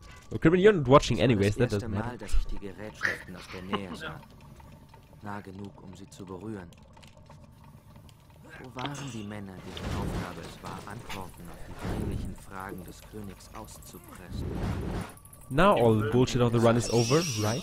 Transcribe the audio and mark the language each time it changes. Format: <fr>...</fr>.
<en>Well, Kribben, you're not watching anyways, that doesn't matter.</en> <de>Dass ich die Gerätschaften aus der Nähe sah. Nah genug, um sie zu berühren. Wo waren die Männer, deren Aufgabe es war, Antworten auf die dringlichen Fragen des Königs auszupressen?</de> <en>Now all the bullshit on the run is over, right?</en>